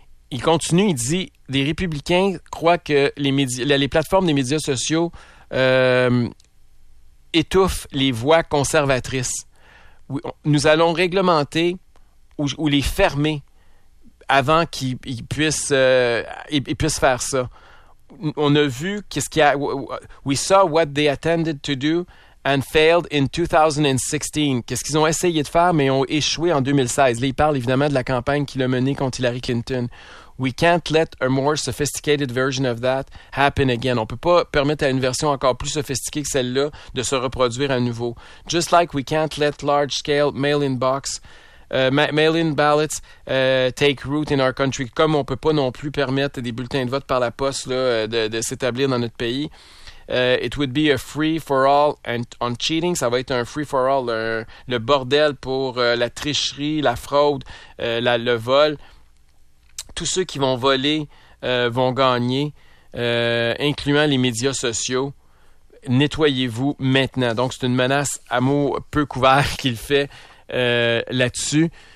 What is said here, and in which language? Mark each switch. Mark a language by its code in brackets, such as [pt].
[fr] Il continue, il dit « Les républicains croient que les plateformes des médias sociaux étouffent les voix conservatrices. Nous allons réglementer ou les fermer avant qu'ils puissent faire ça. On a vu qu'est-ce qu'il y a. [en] We saw what they attempted to do and failed in 2016. [fr] Qu'est-ce qu'ils ont essayé de faire, mais ont échoué en 2016. Là, il parle évidemment de la campagne qu'il a menée contre Hillary Clinton. [en] We can't let a more sophisticated version of that happen again. [fr] On peut pas permettre à une version encore plus sophistiquée que celle-là de se reproduire à nouveau. [en] Just like we can't let large-scale mail-in box mail-in ballots take root in our country, [fr] comme on ne peut pas non plus permettre des bulletins de vote par la poste là, de s'établir dans notre pays. [en] It would be a free-for-all on cheating. [fr] Ça va être un free-for-all, le bordel pour la tricherie, la fraude, le vol. Tous ceux qui vont voler vont gagner, incluant les médias sociaux. Nettoyez-vous maintenant. Donc, c'est une menace à mots peu couverts qu'il fait là-dessus.